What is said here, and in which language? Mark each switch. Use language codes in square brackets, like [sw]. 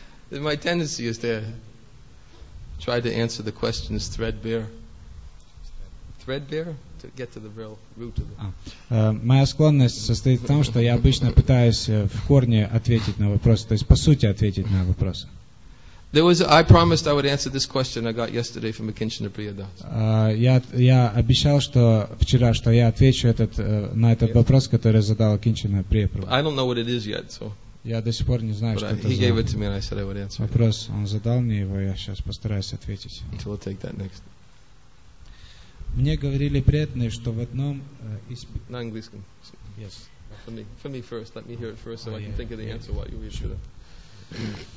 [en] My tendency is to try to answer the questions threadbare. Threadbare? To get to the real root of it. [ru] Моя склонность состоит в том, что я обычно пытаюсь в корне ответить на вопросы, то есть по сути ответить на вопросы. [en] I promised I would answer this question I got yesterday from Akinchana Priya Das. [ru] Я обещал, что вчера, что я отвечу на этот вопрос, который задал Акинчана Прия Прабхупада. [en] I don't know what it is yet, so. [ru] Я до сих пор не знаю, что это за. [en] He gave it to me, and I said I would answer. [ru] Вопрос, он задал мне его, я сейчас постараюсь ответить. [en] So we'll take that next. [ru] Мне говорили преданные, что в одном из. На английском. [en] Yes. For me first. Let me hear it first, so I can think of the answer while you read it.